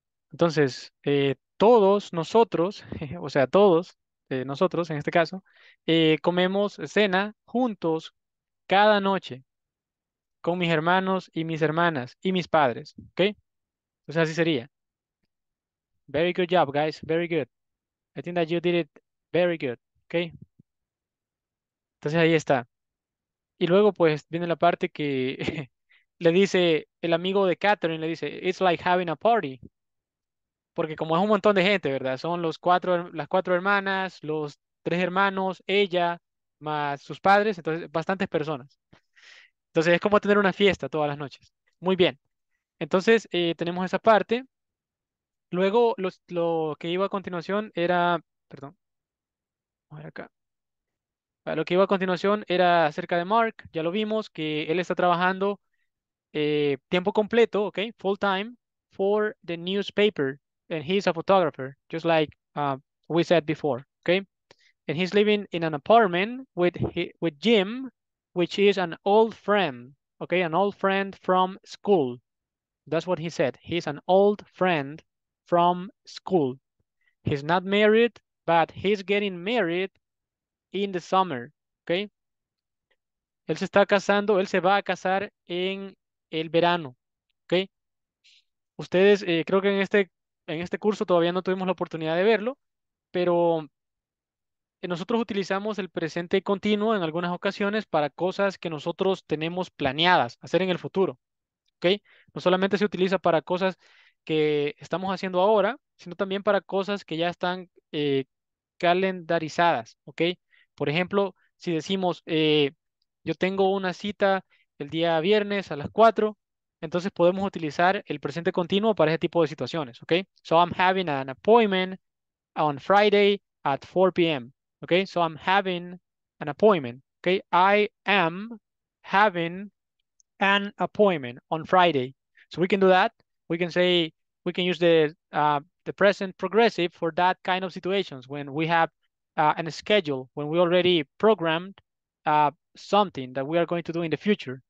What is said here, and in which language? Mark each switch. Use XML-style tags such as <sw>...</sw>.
<es>Entonces, todos nosotros, o sea, todos nosotros en este caso, comemos cena juntos cada noche con mis hermanos y mis hermanas y mis padres, ¿ok? Entonces así sería.</es> <en>Very good job, guys. Very good. I think that you did it very good, ¿ok?</en> <es>Entonces ahí está. Y luego pues viene la parte que le dice el amigo de Catherine, le dice,</es> <en>it's like having a party.</en> <es>Porque como es un montón de gente, ¿verdad? Son las cuatro hermanas, los tres hermanos, ella, más sus padres, entonces bastantes personas. Entonces, es como tener una fiesta todas las noches. Muy bien. Entonces, tenemos esa parte. Luego, lo que iba a continuación era... Perdón. Vamos a ver acá. Lo que iba a continuación era acerca de Mark. Ya lo vimos, que él está trabajando tiempo completo, ¿ok?</es> <en>Full time for the newspaper. And he's a photographer, just like we said before, ¿ok? And he's living in an apartment with Jim, which is an old friend, okay, an old friend from school. That's what he said. He's an old friend from school. He's not married, but he's getting married in the summer. Okay.</en> <es>Él se está casando, él se va a casar en el verano. Okay. Ustedes, creo que en este curso todavía no tuvimos la oportunidad de verlo, pero nosotros utilizamos el presente continuo en algunas ocasiones para cosas que nosotros tenemos planeadas hacer en el futuro. Okay. No solamente se utiliza para cosas que estamos haciendo ahora, sino también para cosas que ya están calendarizadas. Okay. Por ejemplo, si decimos, yo tengo una cita el día viernes a las 4, entonces podemos utilizar el presente continuo para ese tipo de situaciones.</es> <en>Okay. So I'm having an appointment on Friday at 4 p.m. Okay, so I'm having an appointment. Okay, I am having an appointment on Friday. So we can do that. We can say, we can use the present progressive for that kind of situations when we have a schedule, when we already programmed something that we are going to do in the future.</en>